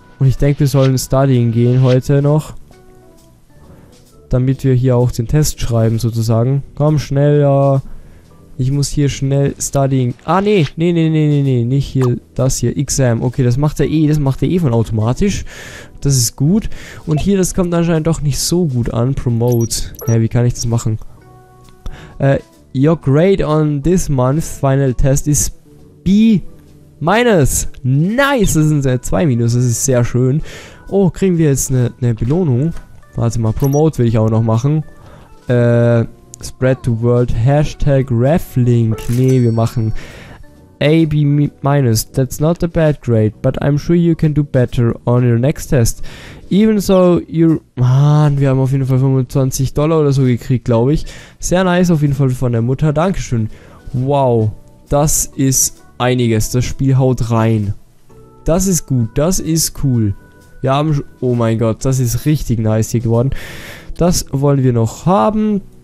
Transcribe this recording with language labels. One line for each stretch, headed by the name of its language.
German: Und ich denke, wir sollen Studying gehen heute noch. Damit wir hier auch den Test schreiben, sozusagen. Komm, schneller. Ich muss hier schnell studying. Ah, nee, nee, nee, nee, nee, nee, nicht hier, das hier. Exam. Okay, das macht er eh von automatisch. Das ist gut. Und hier, das kommt anscheinend doch nicht so gut an. Promote. Hä, wie kann ich das machen?
English: Your grade on this month's final test is B minus.
German: Nice, das sind 2 minus. Das ist sehr schön. Oh, kriegen wir jetzt eine Belohnung? Warte mal, Promote will ich auch noch machen.
English: Spread the world, Hashtag Reflink.
German: Nee, wir machen A, B minus.
English: That's not a bad grade, but I'm sure you can do better on your next test. Even so,
German: Mann, wir haben auf jeden Fall $25 oder so gekriegt, glaube ich. Sehr nice auf jeden Fall von der Mutter. Dankeschön. Wow, das ist einiges. Das Spiel haut rein. Das ist gut, das ist cool. Wir haben schon. Oh mein Gott, das ist richtig nice hier geworden. Das wollen wir noch haben.